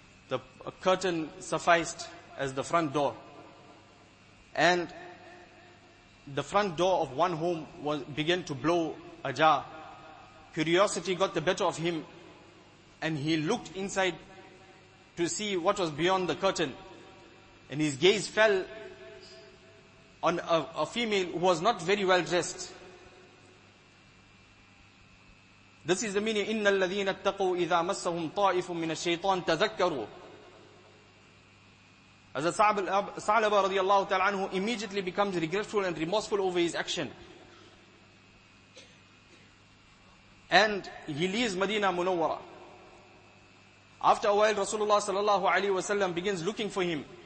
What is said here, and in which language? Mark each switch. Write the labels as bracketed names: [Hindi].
[English] A curtain sufficed as the front door. And the front door of one home began to blow ajar. Curiosity got the better of him and he looked inside to see what was beyond the curtain. And his gaze fell on a female who was not very well dressed. This is the meaning, [Arabic] إِنَّ الَّذِينَ اتَّقُوا إِذَا مَسَّهُمْ طَائِفٌ مِّنَ الشَّيْطَانِ تَذَكَّرُوا. [English] As Sa'labah radiallahu ta'ala anhu immediately becomes regretful and remorseful over his action. And he leaves Medina Munawwara. After a while, Rasulullah sallallahu alayhi wa sallam begins looking for him.